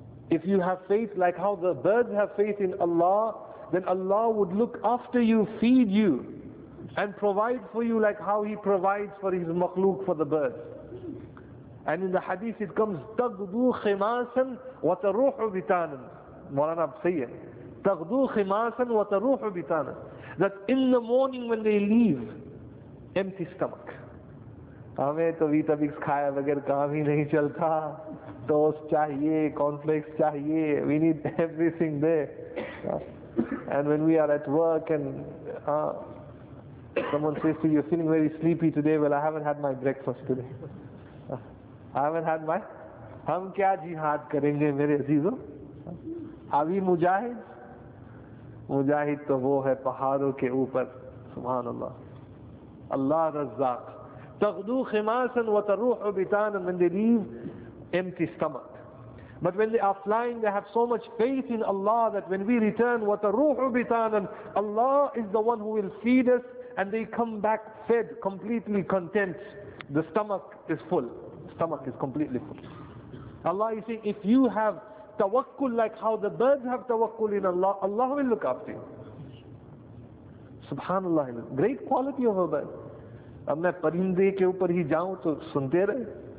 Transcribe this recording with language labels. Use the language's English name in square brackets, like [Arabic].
[English] If you have faith like how the birds have faith in Allah, then Allah would look after you, feed you, and provide for you like how He provides for His makhluk, for the birds. And in the hadith it comes, [Arabic] تَغْدُو خِمَاسًا وَتَرُوحُ بِتَانًا. Morana Abseyyah. تَغْدُو خِمَاسًا وَتَرُوحُ بِتَانًا. [English] That in the morning when they leave, empty stomach. [Urdu] ہمے تبھی تبھی کھایا وگر کام ہی نہیں چلتا. Toast چاہیے, کارن flakes چاہیے. [English] We need everything there. And when we are at work and someone says to you, you're feeling very sleepy today. Well, I haven't had my breakfast today. [Urdu] ہم کیا جہاد کریں گے میرے عزیزو? ابھی مجاہد? مجاہد تو وہ ہے پہاڑوں کے اوپر. [Arabic] Subhanallah. Allah Razzaq. تغدو خماسا وتروح بتانا. [English] When they leave, empty stomach. But when they are flying, they have so much faith in Allah that when we return, [Arabic] وتروح بتانا, [English] Allah is the one who will feed us, and they come back fed, completely content. The stomach is full. The stomach is completely full. Allah is saying, if you have tawakkul like how the birds have tawakkul in Allah, Allah will look after you. Subhanallah, great quality of a bird. [Urdu] اب میں پرندے کے اوپر ہی جاؤں تو سنتے رہے.